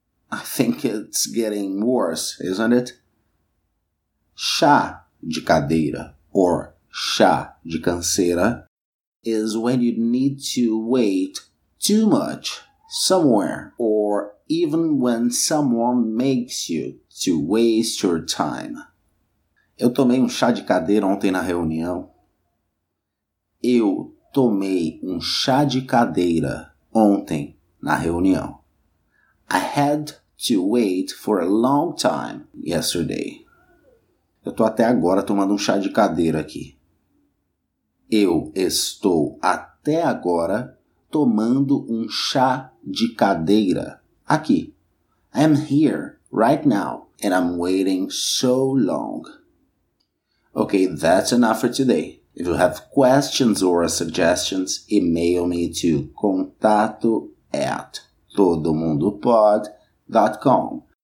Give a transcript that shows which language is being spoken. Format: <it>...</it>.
<en>I think it's getting worse, isn't it? Chá de cadeira, or chá de canseira, is when you need to wait too much somewhere, or even when someone makes you to waste your time.</en> <pt>Eu tomei chá de cadeira ontem na reunião. Eu tomei chá de cadeira ontem na reunião.</pt> <en>I had to wait for a long time yesterday.</en> <pt>Eu tô até agora tomando chá de cadeira aqui. Eu estou até agora tomando chá de cadeira aqui.</pt> <en>I am here right now and I'm waiting so long. Okay, that's enough for today. If you have questions or suggestions, email me to contato@todomundopod.com.</en>